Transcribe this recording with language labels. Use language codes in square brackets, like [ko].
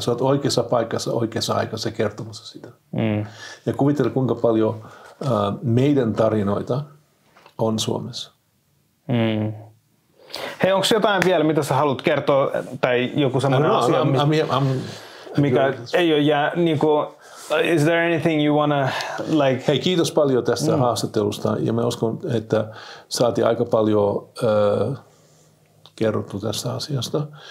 [fi] Sä oot oikeassa paikassa, oikeassa aikassa kertomassa sitä. Ja kuvittele, kuinka paljon meidän tarinoita on Suomessa. Hei, onko jotain vielä, mitä sä haluat kertoa? Tai joku semmoinen asia, mikä ei ole jää niin kuin. [en] Is there anything you wanna like? [fi] Hei, kiitos paljon tästä haastattelusta ja mä uskon, että saatiin aika paljon kerrottu tästä asiasta.